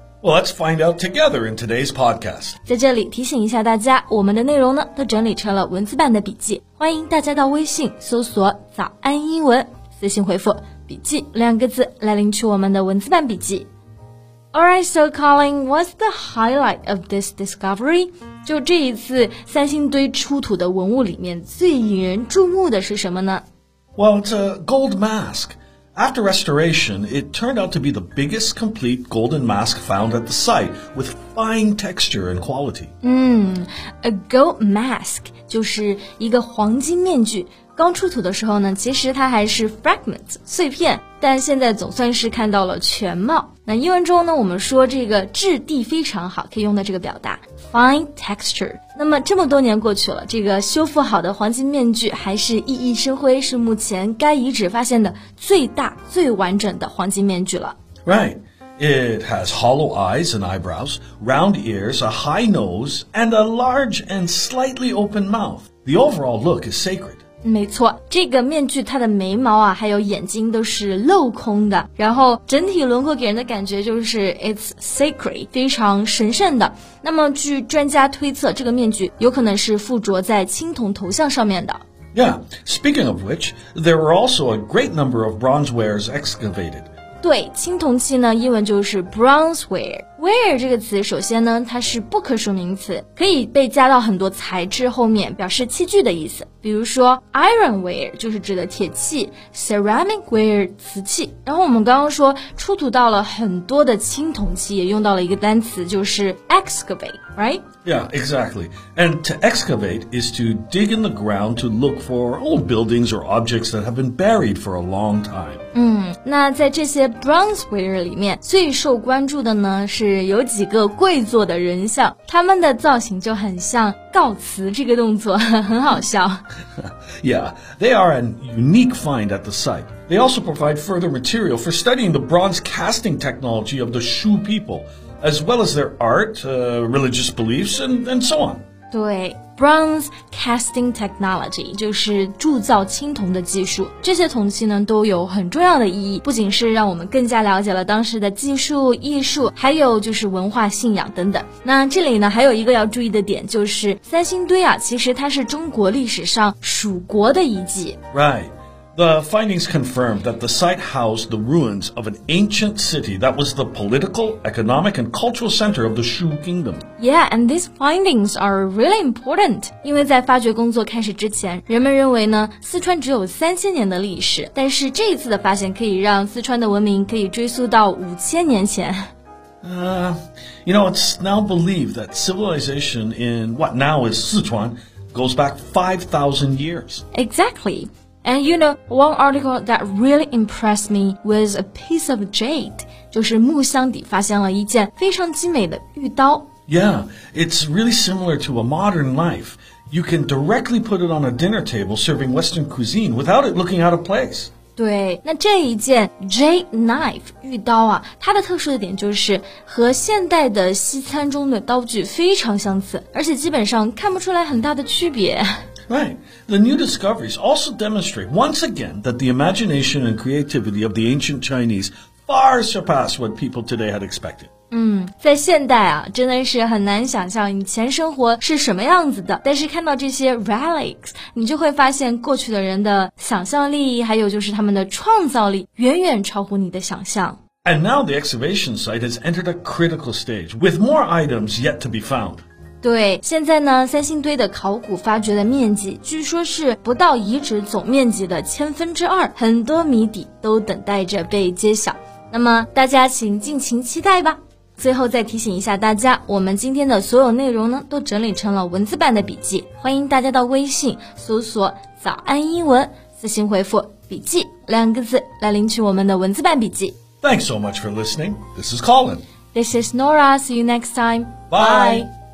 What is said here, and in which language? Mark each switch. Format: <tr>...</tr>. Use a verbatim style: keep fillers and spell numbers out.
<en>Well, let's find out together in today's podcast.</en> <zh>在这里提醒一下大家，我们的内容呢都整理成了文字版的笔记，欢迎大家到微信搜索“早安英文”。私信回复笔记两个字来领取我们的文字版笔记。</zh> <en>Alright, so Colin, what's the highlight of this discovery?</en> <zh>就这一次三星堆出土的文物里面最引人注目的是什么呢？</zh> <en>Well, it's a gold mask. After restoration, it turned out to be the biggest complete golden mask found at the site, with fine texture and quality.</en> <zh>嗯</zh> <en>a gold mask</en> <zh>就是一个黄金面具。刚出土的时候呢，其实它还是 fragment 碎片，但现在总算是看到了全貌。那英文中呢，我们说这个质地非常好，可以用到这个表达</zh> <en>fine texture。</en> <zh>那么这么多年过去了，这个修复好的黄金面具还是熠熠生辉，是目前该遗址发现的最大最完整的黄金面具了。</zh> <en>Right, it has hollow eyes and eyebrows, round ears, a high nose, and a large and slightly open mouth. The overall look is sacred.</en> <zh>没错，这个面具它的眉毛啊还有眼睛都是镂空的，然后整体轮廓给人的感觉就是</zh> <en>it's sacred，</en> <zh>非常神圣的。那么据专家推测，这个面具有可能是附着在青铜头像上面的。</zh> <en>Yeah, speaking of which, there were also a great number of bronze wares excavated.</en> <zh>对，青铜器呢，英文就是 bronze ware。ware 这个词，首先呢，它是不可数名词，可以被加到很多材质后面，表示器具的意思。比如说</zh> <en>iron ware</en> <zh>就是指的铁器 ，</zh> <en>ceramic ware</en> <zh>瓷器。然后我们刚刚说出土到了很多的青铜器，也用到了一个单词，就是 excavate， right？</zh> <en>Yeah, exactly. And to excavate is to dig in the ground to look for old buildings or objects that have been buried for a long time.</en> <zh>嗯，那在这些 bronze ware 里面，最受关注的呢是有几个跪坐的人像，他们的造型就很像告辞这个动作，很好笑。</zh> <en>Yeah, they are a unique find at the site. They also provide further material for studying the bronze casting technology of the Shu people, as well as their art, uh, religious beliefs, and, and so on.</en> <zh>对</zh> <en>bronze casting technology</en> <zh>就是铸造青铜的技术，这些铜器呢都有很重要的意义，不仅是让我们更加了解了当时的技术、艺术，还有就是文化信仰等等。那这里呢还有一个要注意的点，就是三星堆啊，其实它是中国历史上蜀国的遗迹。</zh> <en>Right. The findings confirmed that the site housed the ruins of an ancient city that was the political, economic, and cultural center of the Shu kingdom. Yeah, and these findings are really important.</en> <zh>因为在发掘工作开始之前，人们认为呢，四川只有三千年的历史，但是这一次的发现可以让四川的文明可以追溯到五千年前。</zh> <en>Uh, you know, it's now believed that civilization in what now is Sichuan goes back five thousand years. Exactly. And you know, one article that really impressed me was a piece of jade.</en> <zh>就是木箱底发现了一件非常精美的玉刀。</zh> <en>Yeah, it's really similar to a modern knife. You can directly put it on a dinner table serving Western cuisine without it looking out of place.</en> <zh>对，那这一件</zh> <en>jade knife</en> <zh>玉刀啊，它的特殊的点就是和现代的西餐中的刀具非常相似，而且基本上看不出来很大的区别。</zh> <en>Right. The new discoveries also demonstrate once again that the imagination and creativity of the ancient Chinese far surpassed what people today had expected.</en> <zh>嗯，在现代啊，真的是很难想象以前生活是什么样子的。但是看到这些 relics， 你就会发现过去的人的想象力，还有就是他们的创造力，远远超乎你的想象。</zh> <en>And now the excavation site has entered a critical stage, with more items yet to be found.</en> <zh>对，现在呢，三星堆的考古发掘的面积据说是不到遗址总面积的千分之二，很多谜底都等待着被揭晓。那么大家请尽情期待吧。最后再提醒一下大家，我们今天的所有内容呢，都整理成了文字版的笔记，欢迎大家到微信搜索“早安英文”，私信回复“笔记”两个字来领取我们的文字版笔记。</zh> <en>Thanks so much for listening. This is Colin. This is Nora. See you next time. Bye. Bye.</en>